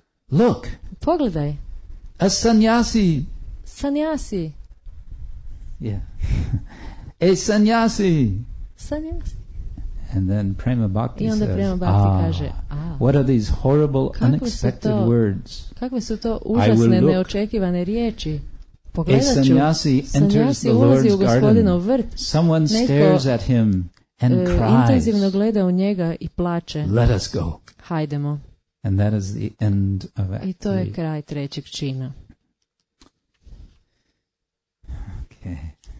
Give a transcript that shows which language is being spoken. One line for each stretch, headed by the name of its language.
English: Look.
Croatian: Pogledaj.
English: A sannyasi.
Croatian: Sannyasi.
English: Yeah. A sannyasi.
Croatian: Sannyasi.
English: And then Prema Bhakti
Croatian: I onda
English: says,
Croatian: Prema Bhakti kaže,
English: what are these horrible, unexpected words?
Croatian: Kakve su to užasne, neočekivane riječi? Pogledat ću.
English: A sannyasi enters the Lord's garden. Someone stares at him and cries.
Croatian: Intenzivno gleda u njega i plače.
English: Let us go.
Croatian: Hajdemo.
English: And that is the end of
Croatian: it. I to je kraj trećeg čina.
English: Okay.